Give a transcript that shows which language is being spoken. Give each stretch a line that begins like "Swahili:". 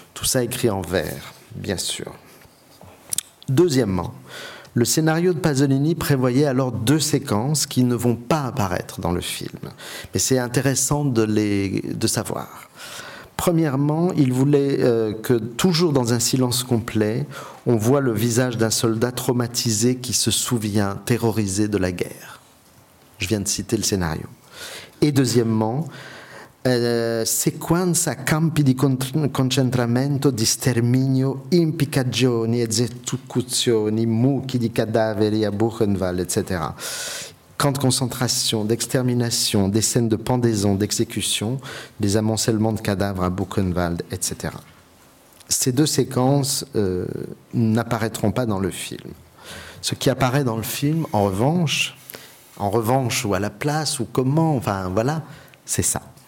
French: Tout ça écrit en vers, bien sûr. Deuxièmement, le scénario de Pasolini prévoyait alors deux séquences qui ne vont pas apparaître dans le film. Mais c'est intéressant de savoir. Premièrement, il voulait que, toujours dans un silence complet, on voit le visage d'un soldat traumatisé qui se souvient, terrorisé de la guerre. Je viens de citer le scénario.
Italian: Et deuxièmement, sequenza campi di concentramento di sterminio, impiccagioni, esecuzioni, mucchi di cadaveri a Buchenwald, etc.
French: Camp de concentration, d'extermination, des scènes de pendaison, d'exécution, des amoncellements de cadavres à Buchenwald, etc. Ces deux séquences n'apparaîtront pas dans le film. Ce qui apparaît dans le film, en revanche, ou à la place, ou comment, enfin voilà, c'est ça.